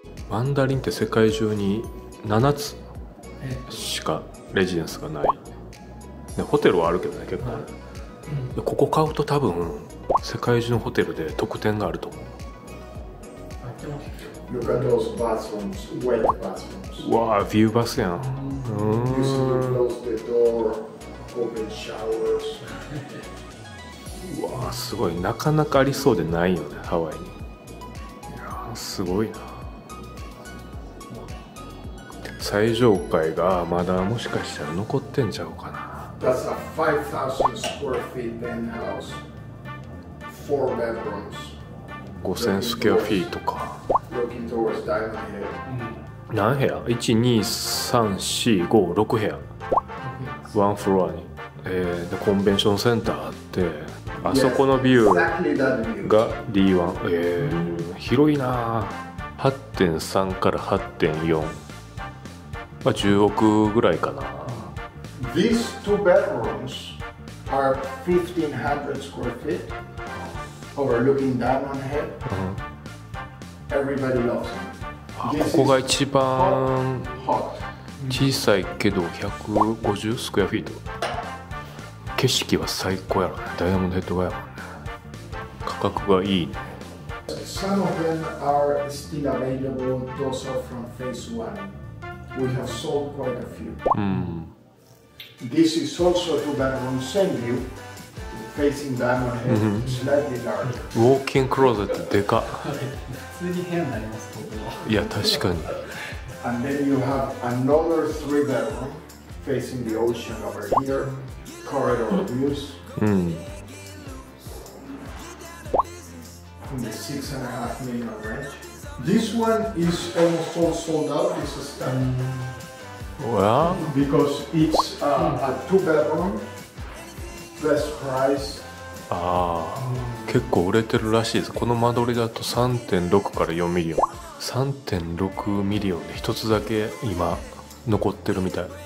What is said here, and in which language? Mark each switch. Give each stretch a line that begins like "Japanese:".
Japanese: マンダリンって世界中に7つしかレジデンスがない、ね、ホテルはあるけどね結構、はい、うん、ここ買うと多分世界中のホテルで特典があると思う。
English: You got those bathrooms, wet bathrooms.
Japanese: わあ、ビューバスやん。
English: You still close the door, open showers.
Japanese: わあ、すごい。なかなかありそうでないよね、ハワイに。いやー、すごいな。最上階がまだもしかしたら残ってんちゃうかな。
English: That's a 5,000 square feet penthouse. Four bedrooms. 5,000 square feet とか。 Looking towards Diamond Head.
Japanese: 何部屋？1,2,3,4,5,6 部屋。ワンフロアに。で、コンベンションセンターって、あそこのビューが D1。広いな。8.3 から8.4。まあ、10億ぐらいかな。
English: These two bedrooms are 1500 square feet overlooking Diamond Head. Everybody loves them.
Japanese: ここが一番小さいけど150スクエアフィート。景色は最高やろね、ダイヤモンドヘッドがやろね。価格がいいね。
English: Some of them are still available. Those are from phase one. We have sold quite a few. This is also a two-bedroom same view, facing Diamond Head, slightly larger.
Japanese: ウォーキングクローゼットでか。普通に部屋になりますここ。いや確かに。
English: And then you have another three-bedroom facing the ocean over here, corridor views. From the 6.5 million range. This one is almost all sold out. This is done. Well, because it's a two-bedroom, best price.
Japanese: ああ、結構売れてるらしいです。この間取りだと 3.6 から4ミリオン。 3.6 ミリオンで一つだけ今残ってるみたい。